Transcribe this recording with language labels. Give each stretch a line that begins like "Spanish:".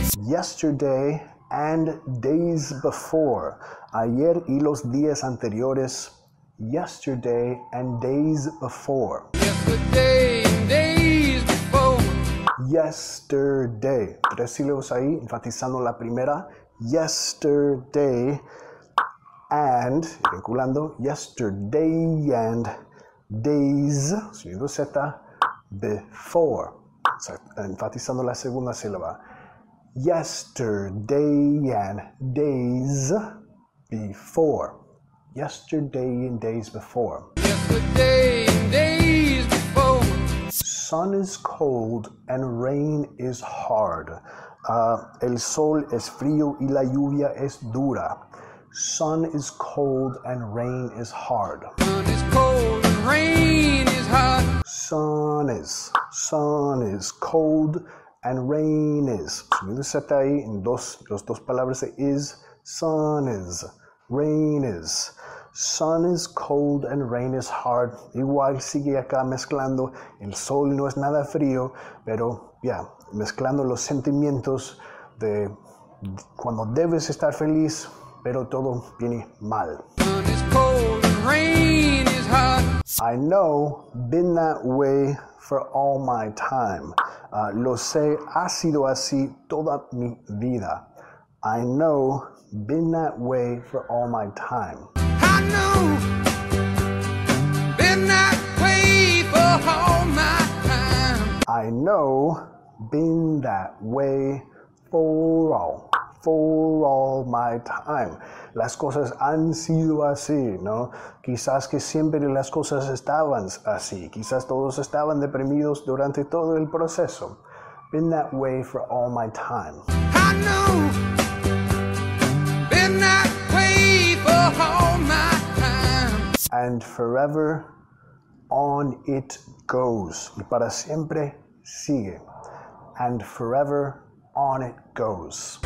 English: Yesterday and days before.
Spanish: Ayer y los días anteriores.
English: Yesterday and days before. Yesterday and days before.
Spanish: Yesterday. Tres sílabos ahí, enfatizando la primera.
English: Yesterday and, vinculando, yesterday and days,
Spanish: sonido Z,
English: before.
Spanish: Enfatizando la segunda sílaba.
English: Yesterday and days before. Yesterday and days before. Yesterday and days before. Sun is cold and rain is hard.
Spanish: El sol es frío y la lluvia es dura.
English: Sun is cold and rain is hard. Sun is cold and rain is hard. Sun is cold and rain is.
Spanish: Sonido Z ahí en los dos palabras de is.
English: Sun is. Rain is. Sun is cold and rain is hard.
Spanish: Igual sigue acá mezclando. El sol no es nada frío, pero ya, yeah, mezclando los sentimientos de cuando debes estar feliz, pero todo viene mal.
English: Sun is cold and rain is hard. I know, been that way for all my time.
Spanish: Lo sé, ha sido así toda mi vida.
English: I know, been that way for all my time. I know, been that way for all my time. I know, been that way for all my time.
Spanish: Las cosas han sido así, ¿no? Quizás que siempre las cosas estaban así. Quizás todos estaban deprimidos durante todo el proceso.
English: Been that way for all my time. I know, been that way for all my time. And forever on it goes.
Spanish: Y para siempre sigue.
English: And forever on it goes.